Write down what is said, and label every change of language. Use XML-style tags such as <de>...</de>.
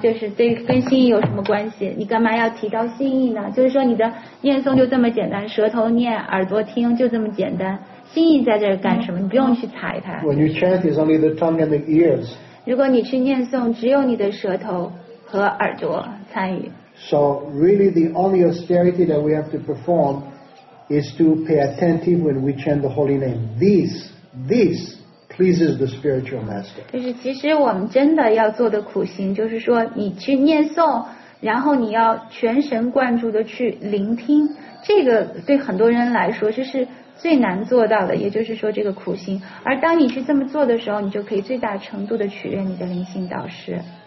<zh>就是对跟心意有什么关系？你干嘛要提到心意呢？就是说你的念诵就这么简单，舌头念，耳朵听，就这么简单。心意在这儿干什么？你不用去踩它。</zh> <en>When you chant, it's only the tongue and the ears.</en> <zh>如果你去念诵，只有你的舌头和耳朵参与。</zh> <en>So really, the only austerity that we have to perform is to pay attentive when we chant the holy name. This. Pleases the spiritual master.</en> <zh>就是其实我们真的要做的苦行，就是说你去念诵，然后你要全神贯注的去聆听。这个对很多人来说，这是最难做到的，也就是说这个苦行。而当你去这么做的时候，你就可以最大程度的取悦你的灵性导师。</zh>